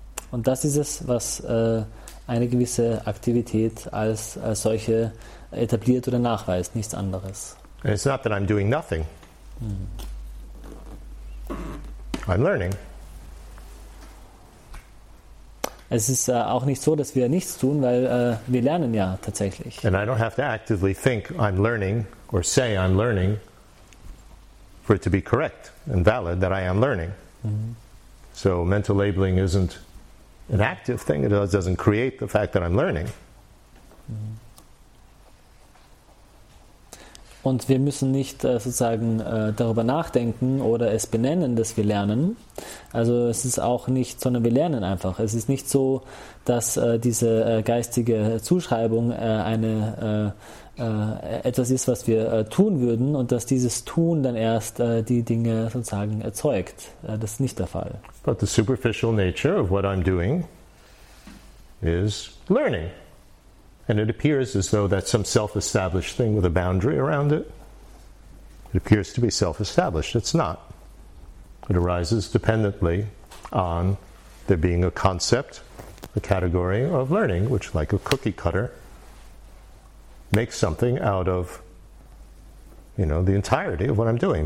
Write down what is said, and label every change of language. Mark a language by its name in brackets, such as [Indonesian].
[German] Und das ist es, was eine gewisse Aktivität als solche etabliert oder nachweist, nichts anderes. [English] It's not that I'm doing nothing. I'm learning. [German] Es ist auch nicht so, dass wir nichts tun, weil wir lernen ja tatsächlich. [English] And I don't have to actively think I'm learning or say I'm learning for it to be correct and valid that I am learning. So mental labeling isn't an active thing. It doesn't create the fact that I'm learning. [German] Und wir müssen nicht sozusagen darüber nachdenken oder es benennen, dass wir lernen. Also es ist auch nicht, sondern wir lernen einfach. Es ist nicht so, dass diese geistige Zuschreibung etwas ist, was wir tun würden und dass dieses Tun dann erst die Dinge sozusagen erzeugt. Das ist nicht der Fall. [English] But the superficial nature of what I'm doing is learning. And it appears as though that's some self-established thing with a boundary around it. It appears to be self-established. It's not. It arises dependently on there being a concept, a category of learning, which, like a cookie cutter, makes something out of, you know, the entirety of what I'm doing.